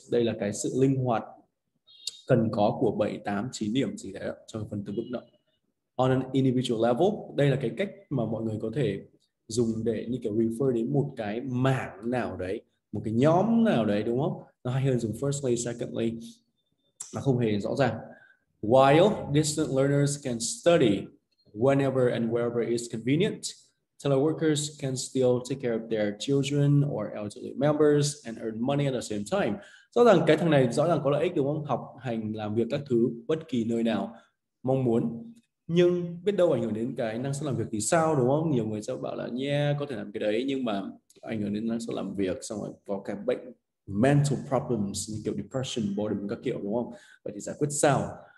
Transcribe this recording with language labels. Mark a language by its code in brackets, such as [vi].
[vi] Đây là cái sự linh hoạt cần có của 7, 8, 9 điểm gì đấy cho phần từ vựng đó. [en] On an individual level, [vi] đây là cái cách mà mọi người có thể dùng để như kiểu refer đến một cái mảng nào đấy, một cái nhóm nào đấy, đúng không? Nó hay hơn dùng firstly, secondly, mà không hề rõ ràng. [en] While distant learners can study whenever and wherever is convenient, teleworkers can still take care of their children or elderly members and earn money at the same time. [vi] Rõ ràng cái thằng này rõ ràng có lợi ích, đúng không? Học hành, làm việc các thứ bất kỳ nơi nào mong muốn. Nhưng biết đâu ảnh hưởng đến cái năng suất làm việc thì sao, đúng không? Nhiều người sẽ bảo là yeah, có thể làm cái đấy, nhưng mà ảnh hưởng đến năng suất làm việc, xong rồi có cái bệnh mental problems như kiểu depression, boredom các kiểu, đúng không? Vậy thì giải quyết sao?